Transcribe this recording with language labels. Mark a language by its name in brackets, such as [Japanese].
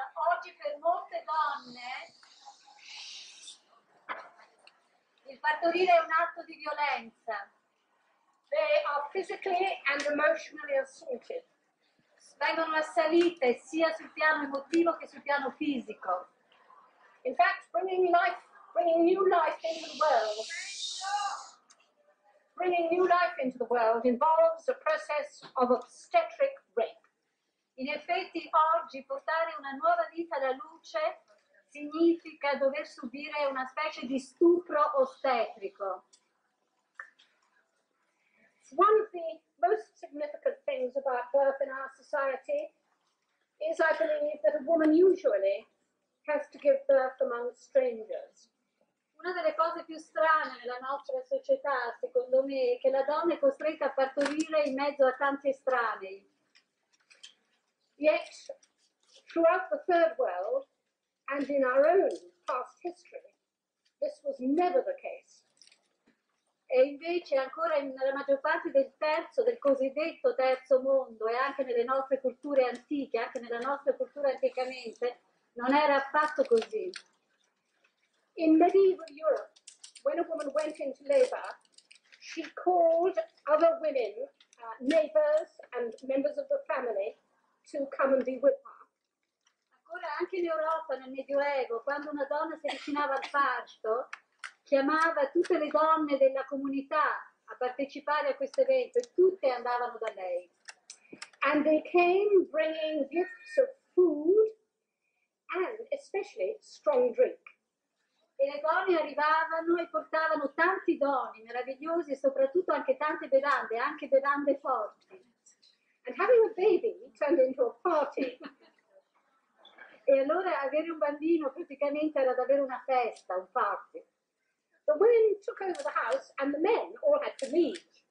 [Italian] Oggi per molte donne il partorire è un atto di violenza. [English] They are physically and emotionally assaulted. [Italian] Vengono assalite sia sul piano emotivo che sul piano fisico. [English] In fact, bringing new life into the world. Bringing new life into the world involves a process of obstetric rape. [Italian] In effetti, oggi portare una nuova vita alla luce significa dover subire una specie di stupro ostetrico. [English] One of the most significant things about birth in our society is, I believe, that a woman usually has to give birth among strangers. [Italian] Una delle cose più strane nella nostra società, secondo me, è che la donna è costretta a partorire in mezzo a tanti estranei. [English] Yet, throughout the third world, and in our own past history, this was never the case. [Italian] E invece, ancora nella maggior parte del terzo, del cosiddetto terzo mondo, e anche nelle nostre culture antiche, anche nella nostra cultura anticamente, non era affatto così. [English] In medieval Europe, when a woman went into labor, she called other women, neighbors and members of the family, to come and be with her. [Italian] Ancora anche in Europa, nel Medioevo, quando una donna si avvicinava al parto, chiamava tutte le donne della comunità a partecipare a questo evento e tutte andavano da lei. [English] And they came bringing gifts of food and especially strong drink. [Italian] E le donne arrivavano e portavano tanti doni meravigliosi e soprattutto anche tante bevande, anche bevande forti. [English] And having a baby turned into a party. [Italian] E allora avere un bambino praticamente era davvero una festa, un party. [English] The women took over the house and the men all had to leave.